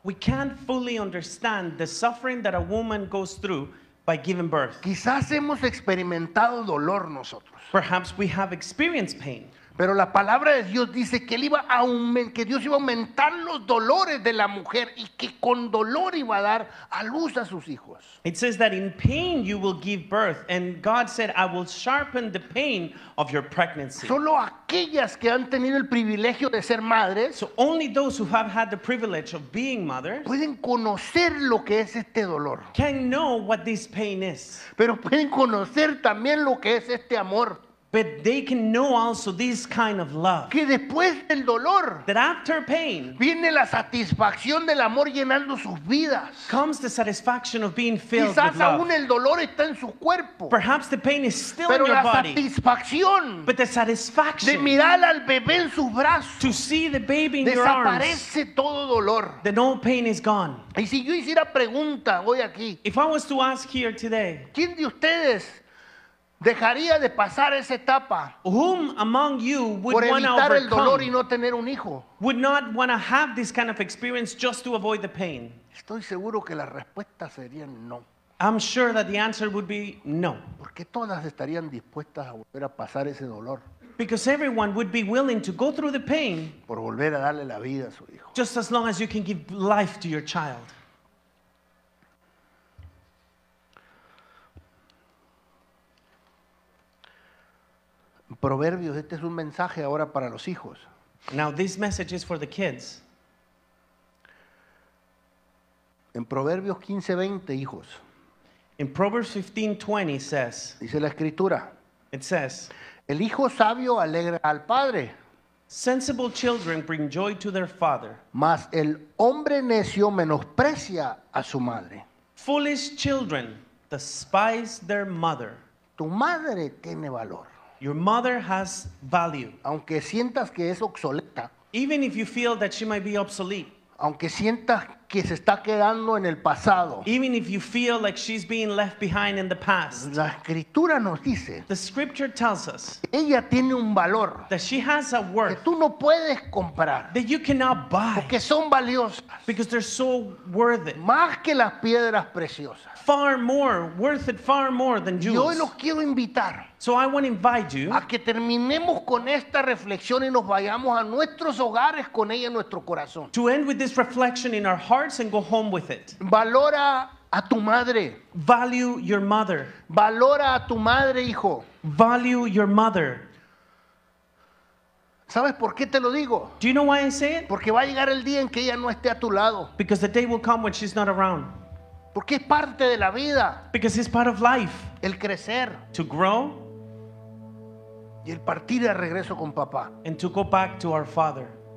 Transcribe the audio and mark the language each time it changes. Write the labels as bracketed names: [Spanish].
[English] We can't fully understand the suffering that a woman goes through by giving birth. [Spanish] Quizás hemos experimentado dolor nosotros. [English] Perhaps we have experienced pain. [Spanish] Pero la palabra de Dios dice que él iba a que Dios iba a aumentar los dolores de la mujer y que con dolor iba a dar a luz a sus hijos. [English] It says that in pain you will give birth, and God said, I will sharpen the pain of your pregnancy. [Spanish] Solo aquellas que han tenido el privilegio de ser madres, [English] so only those who have had the privilege of being mothers, [Spanish] pueden conocer lo que es este dolor. [English] Can know what this pain is. [Spanish] Pero pueden conocer también lo que es este amor. [English] But they can know also this kind of love. [Spanish] Que después del dolor, [English] that after pain, [Spanish] viene la satisfacción del amor llenando sus vidas. [English] Comes the satisfaction of being filled [Spanish] quizás [English] with love. [Spanish] Quizás aún el dolor está en su cuerpo. [English] Perhaps the pain is still [Spanish] pero [English] in your body. [Spanish] Pero la satisfacción, [English] but the satisfaction, [Spanish] de mirar al bebé en sus brazos, [English] to see the baby in [Spanish] desaparece [English] your arms, [Spanish] todo dolor. [English] Then all pain is gone. [Spanish] Y si yo hiciera pregunta hoy aquí, [English] if I was to ask here today, [Spanish] ¿quién de ustedes dejaría de pasar esa etapa? [English] Whom among you would [Spanish] por evitar [English] overcome, [Spanish] el dolor y no tener un hijo? [English] Would not want to have this kind of experience just to avoid the pain? [Spanish] Estoy seguro que la respuesta sería no. [English] I'm sure that the answer would be no. [Spanish] Porque todas estarían dispuestas a volver a pasar ese dolor. [English] Because everyone would be willing to go through the pain [Spanish] por volver a darle la vida a su hijo. [English] Just as long as you can give life to your child. [Spanish] Proverbios, este es un mensaje ahora para los hijos. [English] Now this message is for the kids. [Spanish] En Proverbios 15:20, hijos. [English] In Proverbs 15:20 says. [Spanish] Dice la escritura. [English] It says. [Spanish] El hijo sabio alegra al padre. [English] Sensible children bring joy to their father. [Spanish] Mas el hombre necio menosprecia a su madre. [English] Foolish children despise their mother. [Spanish] Tu madre tiene valor. [English] Your mother has value. [Spanish] Aunque sientas que es obsoleta. [English] Even if you feel that she might be obsolete. [Spanish] Aunque sientas que se está quedando en el pasado. [English] Even if you feel like she's being left behind in the past. [Spanish] La escritura nos dice. [English] The scripture tells us. [Spanish] Ella tiene un valor. [English] That she has a worth. [Spanish] Que tú no puedes comprar. [English] That you cannot buy. [Spanish] Porque son valiosas. [English] Because they're so worth it. [Spanish] Más que las piedras preciosas. [English] Far more, worth it far more than jewels. [Spanish] Y hoy los quiero invitar. [English] So I want to invite you [Spanish] a que terminemos con esta reflexión y nos vayamos a nuestros hogares con ella en nuestro corazón. [English] To end with this reflection in our hearts and go home with it. [Spanish] Valora a tu madre. [English] Value your mother. [Spanish] Valora a tu madre, hijo. [English] Value your mother. [Spanish] ¿Sabes por qué te lo digo? [English] Do you know why I say it? [Spanish] Porque va a llegar el día en que ella no esté a tu lado. [English] Because the day will come when she's not around. [Spanish] Porque es parte de la vida. [English] Because it's part of life. [Spanish] El crecer. [English] To grow. [Spanish] Y el partir de regreso con papá. And to go back to our father.